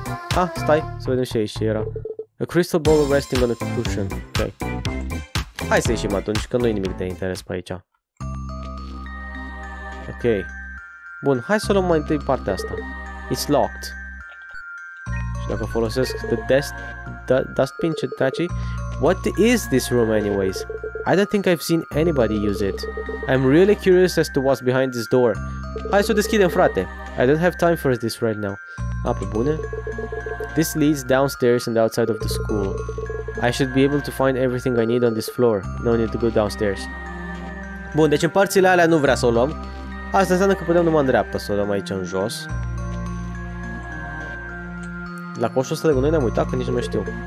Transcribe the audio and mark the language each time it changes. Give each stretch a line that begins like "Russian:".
Romanian: Ah, stai, să vedem ce aici era.
English: A crystal ball resting on a cushion. Ok.
Romanian: Hai să ieșim atunci, că nu e nimic de interes pe aici. Ok. Bun, hai să luăm mai întâi partea asta.
English: It's locked.
Romanian: Și dacă folosesc the dustbin ce trece.
English: What is this room anyways? I don't think I've seen anybody use it. I'm really curious as to what's behind this door.
Romanian: Hai să o deschidem, frate.
English: I don't have time for this right now.
Romanian: A, pe bune?
English: This leads downstairs and outside of the school. I should be able to find everything I need on this floor. No need to go downstairs.
Romanian: Bun, deci în părțile alea nu vrea să o luăm. Asta înseamnă că putem numai în dreapta să o luăm aici în jos. La coșul ăsta de gunoi ne-am uitat că nici nu mai știu.